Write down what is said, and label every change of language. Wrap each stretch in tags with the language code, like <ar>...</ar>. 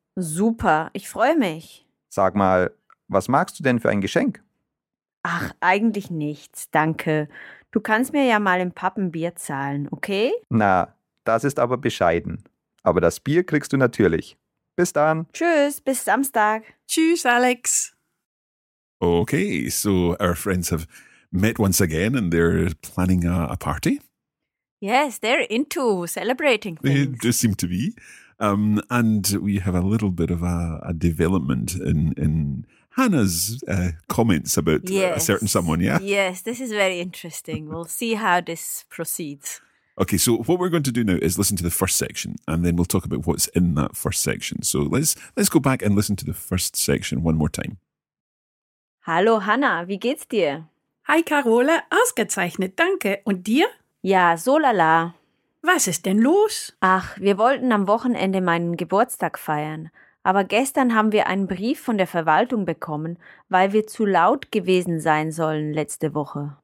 <de>Super, ich freue mich. Sag mal, was magst du denn für ein Geschenk? Ach, eigentlich nichts, danke. Du kannst mir ja mal im Pub ein Bier zahlen, okay? Na, das ist aber bescheiden. Aber das Bier kriegst du natürlich. Bis dann. Tschüss, bis Samstag. Tschüss, Alex.</de> <en>Okay, so our friends have met once again and they're planning a party. Yes, they're into celebrating things. They do seem to be. And we have a little bit of a development in Hannah's comments about a certain someone, yeah? Yes, this is very interesting. We'll see how this proceeds. Okay, so what we're going to do now is listen to the first section and then we'll talk about what's in that first section. So let's go back and listen to the first section one more time.</en> <de>Hallo Hannah, wie geht's dir? Hi Carola, ausgezeichnet, danke. Und dir? Ja, so lala. Was ist denn los? Ach, wir wollten am Wochenende meinen Geburtstag feiern. Aber gestern haben wir einen Brief von der Verwaltung bekommen, weil wir zu laut gewesen sein sollen letzte Woche.</de>